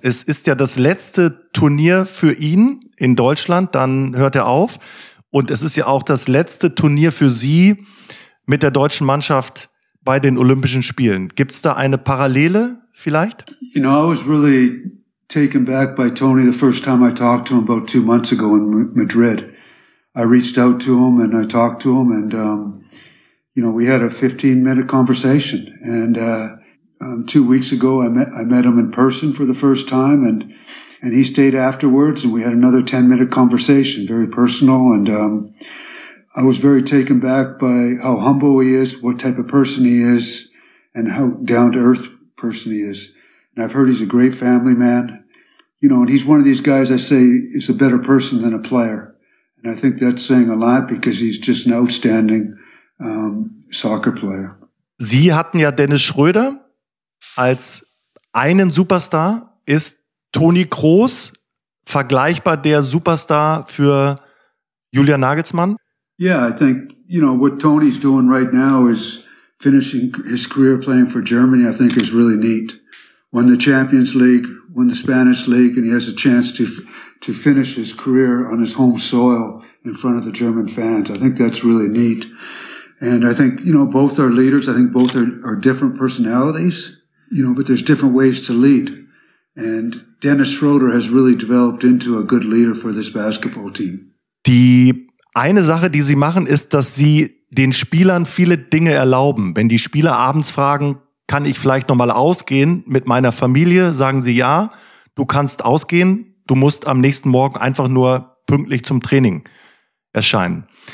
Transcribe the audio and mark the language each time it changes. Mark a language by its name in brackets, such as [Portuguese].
[German] Es ist ja das letzte Turnier für ihn in Deutschland, dann hört er auf. Und es ist ja auch das letzte Turnier für Sie mit der deutschen Mannschaft bei den Olympischen Spielen. Gibt's da eine Parallele vielleicht? [English] You know, I was really taken back by Tony the first time I talked to him about 2 months ago in Madrid. I reached out to him and I talked to him and, you know, we had a 15-minute conversation. And 2 weeks ago, I met him in person for the first time and he stayed afterwards and we had another 10-minute conversation, very personal. And I was very taken back by how humble he is, what type of person he is, and how down-to-earth person he is. And I've heard he's a great family man. You know, and he's one of these guys I say is a better person than a player. And I think that's saying a lot because he's just an outstanding soccer player. [German] Sie hatten ja Dennis Schröder als einen Superstar. Ist Toni Kroos vergleichbar der Superstar für Julian Nagelsmann? [English] Yeah, I think, you know, what Tony's doing right now is finishing his career playing for Germany, I think is really neat. Won the Champions League, won the Spanish League, and he has a chance to finish his career on his home soil in front of the German fans. I think that's really neat. And I think, you know, both are leaders. I think both are different personalities, you know, but there's different ways to lead. And Dennis Schröder has really developed into a good leader for this basketball team. [German] Die eine Sache, die sie machen, ist, dass sie den Spielern viele Dinge erlauben. Wenn die Spieler abends fragen, kann ich vielleicht nochmal ausgehen mit meiner Familie, sagen sie ja, du kannst ausgehen, du musst am nächsten Morgen einfach nur pünktlich zum Training erscheinen.